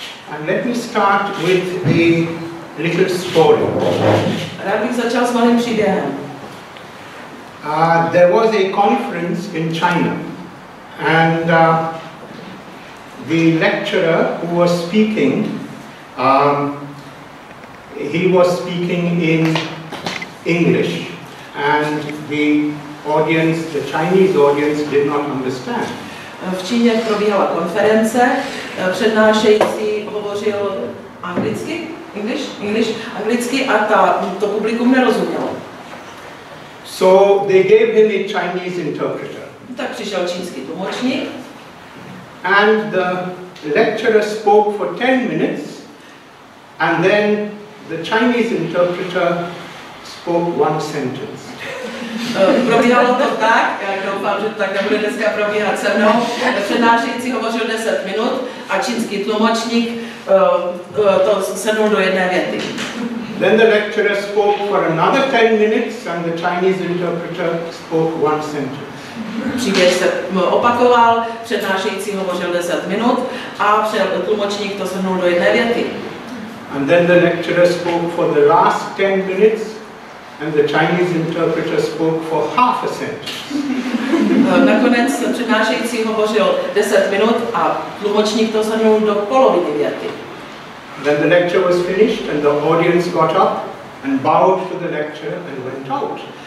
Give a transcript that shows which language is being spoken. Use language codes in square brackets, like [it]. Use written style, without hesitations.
[en] And let me start with a little story. [cs] Rád bych začal s malým příběhem. [en] There was a conference in China, and the lecturer who was speaking. He was speaking in English, and the audience, the Chinese audience, did not understand. [cs] V Číně probíhala konference, přednášející hovořil anglicky, English, anglicky, a to publikum nerozumělo. [en] So they gave him a Chinese interpreter. [cs] Tak přišel čínský tlumočník. [en] And the lecturer spoke for 10 minutes. And then the Chinese interpreter spoke one sentence. [cs] Probíhalo to tak, já doufám, že to tak nebude dneska probíhat se mnou. Přednášející hovořil 10 minut a čínský tlumočník to sednul do jedné věty. [en] Then the lecturer spoke for another 10 minutes and the Chinese interpreter spoke one sentence. [cs] příběh se opakoval, přednášející hovořil 10 minut a tlumočník to shrnul do jedné věty. [en] And then the lecturer spoke for the last 10 minutes and the Chinese interpreter spoke for half a sentence. [cs] Nakonec přednášející hovořil 10 minut a tlumočník to shrnul do poloviny věty. [en] Then the lecture was finished and the audience got up and bowed to the lecturer and went out.